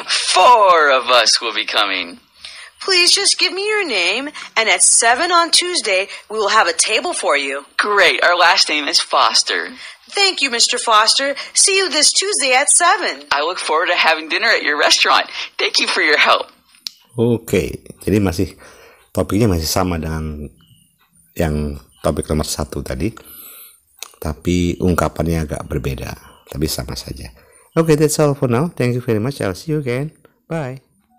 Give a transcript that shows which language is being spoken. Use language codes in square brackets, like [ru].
[en] 4 of us will be coming. Please just give me your name, and at 7 on Tuesday, we will have a table for you. Great. Our last name is Foster. Thank you, Mr. Foster. See you this Tuesday at 7. I look forward to having dinner at your restaurant. Thank you for your help. Okay. [id] Jadi masih, topiknya masih sama dengan yang topik nomor 1 tadi. Tapi ungkapannya agak berbeda. Tapi sama saja. [en] Okay, that's all for now. Thank you very much. I'll see you again. Bye.